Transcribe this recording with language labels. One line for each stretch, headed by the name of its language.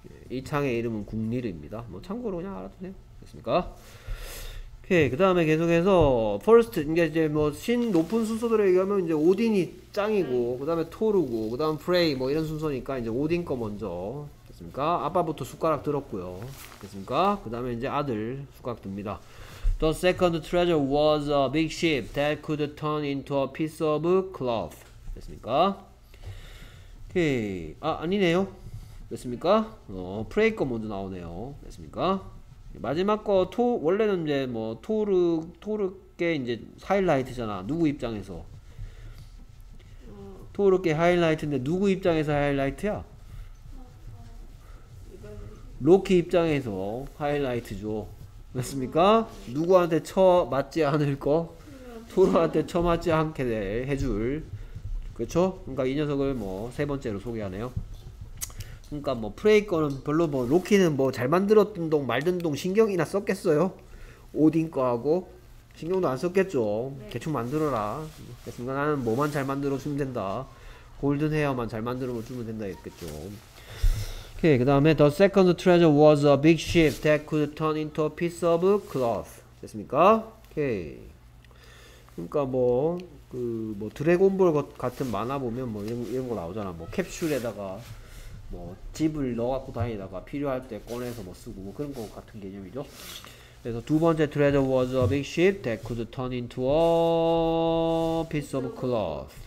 Korean: 이 창의 이름은 국리르입니다. 뭐 참고로 그냥 알아두세요. 됐습니까? 오케이. 그 다음에 계속해서 first, 이게 이제 뭐 신 높은 순서대로 얘기하면 이제 오딘이 짱이고, 그 다음에 토르고, 그 다음 프레이 뭐 이런 순서니까 이제 오딘 거 먼저. 됐습니까? 아빠부터 숟가락 들었고요. 됐습니까? 그 다음에 이제 아들 숟가락 듭니다.
English: The second treasure was a big ship that could turn into a piece of cloth.
Korean: 됐습니까? 오케이. 아, 아니네요. 됐습니까? 프레이 거 먼저 나오네요. 됐습니까? 마지막 거, 원래는 이제 뭐, 토르께 이제 하이라이트잖아. 누구 입장에서? 토르께 하이라이트인데 누구 입장에서 하이라이트야? 로키 입장에서 하이라이트죠. 맞습니까? 누구한테 쳐 맞지 않을 거? 토르한테 쳐 맞지 않게 해줄. 그렇죠? 그러니까 이 녀석을 뭐 세 번째로 소개하네요. 그러니까 뭐 프레이거는 별로 뭐 로키는 뭐 잘 만들었든 동 말든 동 신경이나 썼겠어요? 오딘 거하고 신경도 안 썼겠죠. 네. 대충 만들어라. 그랬으니까 나는 뭐만 잘 만들어 주면 된다. 골든 헤어만 잘 만들어 주면 된다 했겠죠. 오케이. 그 다음에
English: The second treasure was a big ship that could turn into a piece of cloth.
Korean: 됐습니까? 오케이. 그러니까 뭐 그 뭐 드래곤볼 같은 만화 보면 뭐 이런 거 나오잖아. 뭐 캡슐에다가 뭐 집을 넣어갖고 다니다가 필요할 때 꺼내서 뭐 쓰고 뭐 그런 거 같은 개념이죠. 그래서 두 번째
English: treasure was a big ship that could turn into a piece of cloth.